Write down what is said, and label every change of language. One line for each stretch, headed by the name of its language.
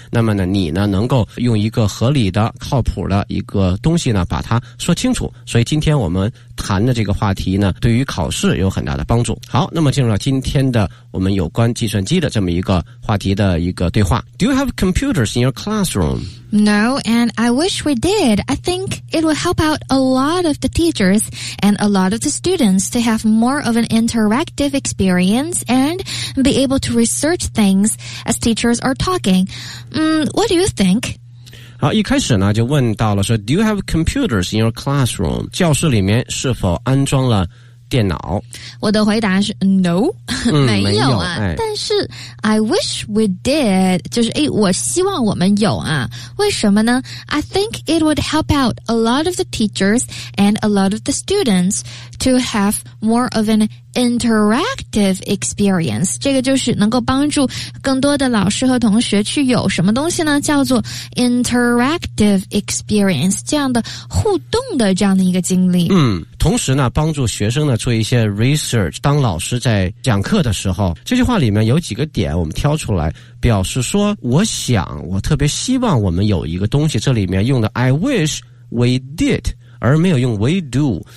Chinese: 那么呢，你呢能够用一个合理的靠谱的一个东西呢把它说清楚，所以今天我们谈的这个话题呢对于考试有很大的帮助。好，那么进入到今天的我们有关计算机的这么一个话题的一个对话。
English: Do you have computers in your classroom? No, and I wish we did. I think it would help out a lot of the teachers and a lot of the students to have more of an interactive experience and be able to research things as teachers are talking. What do you think?
Chinese: 好，一开始呢就问到了说
English: Do you have computers in your classroom?
Chinese: 教室里面是否安装了电脑？我的回答是 No, 没有、但是
English: I wish we did,
Chinese: 就是诶，我希望我们有啊。为什么呢？
English: I think it would help out a lot of the teachers and a lot of the students to have more of an interactive experience.
Chinese: 这个就是能够帮助更多的老师和同学去有什么东西呢？叫做
English: interactive experience,
Chinese: 这样的互动的这样的一个经历。嗯，同时呢帮助学生呢做一些 research, 当老师在讲课的时候，这句话里面有几个点我们挑出来，表示说我想，我特别希望我们有一个东西，这里面用的
English: I wish we did,
Chinese: 而没有用
English: we do。